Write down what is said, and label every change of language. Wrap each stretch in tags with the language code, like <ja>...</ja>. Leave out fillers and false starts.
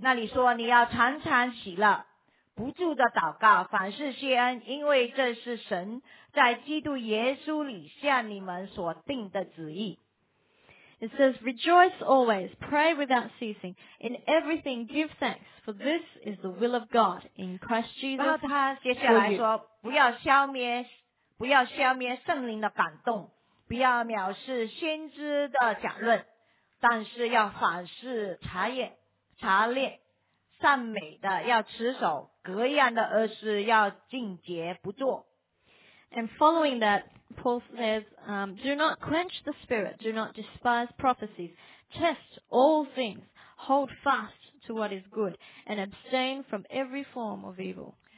<zh>那你说你要常常喜乐，不住的祷告，凡事谢恩，因为这是神在基督耶稣里向你们所定的旨意。</zh> <en>It says, Rejoice always, pray without ceasing. In everything, give thanks, for this is the will of God in Christ Jesus.</en> <zh>然后他接下来说，不要消灭圣灵的感动，不要藐视先知的讲论，但是要反思查炼，善美的要持守，各样的恶事要禁绝不做。</zh> <en>And following that, Paul says, do not quench the spirit, do not despise prophecies, test all things, hold fast to what is good, and abstain from every form of evil.</en>